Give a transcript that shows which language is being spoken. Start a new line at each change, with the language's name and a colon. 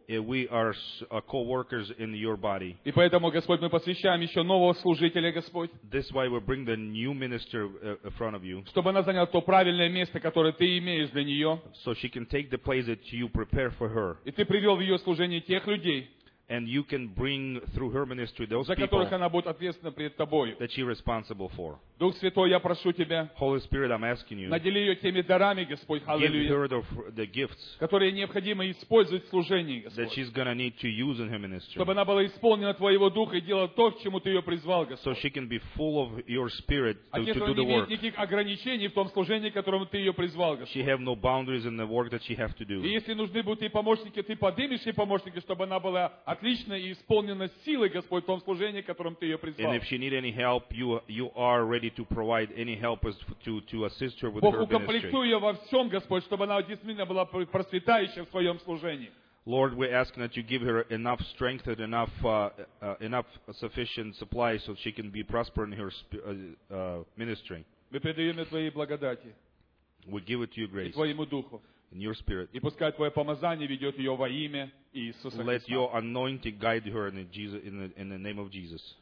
English: And we are co-workers in your body.
Russian: И поэтому, Господь, мы посвящаем еще нового служителя, Господь.
English: This why we bring the new minister in front of you.
Russian: Чтобы она заняла то правильное место, которое ты имеешь для нее.
English: So she can take the place that you prepare for her.
Russian: И ты привел в ее служение тех людей.
English: and you can bring through her ministry those
Russian: за которых она будет ответственна перед тобою.
English: That she's responsible for.
Russian: Дух Святой, я прошу тебя.
English: Holy Spirit, I'm asking you.
Russian: Надели ее теми дарами, Господь, hallelujah.
English: Give her the gifts.
Russian: Которые необходимо использовать в служении, Господь.
English: That she's gonna need to use in her ministry.
Russian: Чтобы она была исполнена твоего духа и делала то, к чему ты ее призвал, Господь.
English: So she can be full of your spirit to do the work.
Russian: А нет никаких ограничений в том служении, которому ты ее призвал, Господь.
English: She have no boundaries in the work that she have to do.
Russian: И если нужны будут и помощники, ты поднимешь и помощники, чтобы она была отлично и исполнена силой, Господь, в том служении, которым ты ее призвал.
English: And if she need any help, you are ready to provide any help to assist her with
Russian: Бог,
English: her ministry.
Russian: Бог, укомплектуй ее во всем, Господь, чтобы она действительно была процветающая в своем служении.
English: Lord, we're asking that you give her enough strength and enough sufficient supply so she can be prosper in her ministry.
Russian: Мы предаем ее твоей благодати.
English: We give it to your grace.
Russian: И твоему духу.
English: In your spirit.
Russian: И пускай твое помазание ведет ее во имя Иисуса Христа.
English: Let your anointing guide her in the name of Jesus.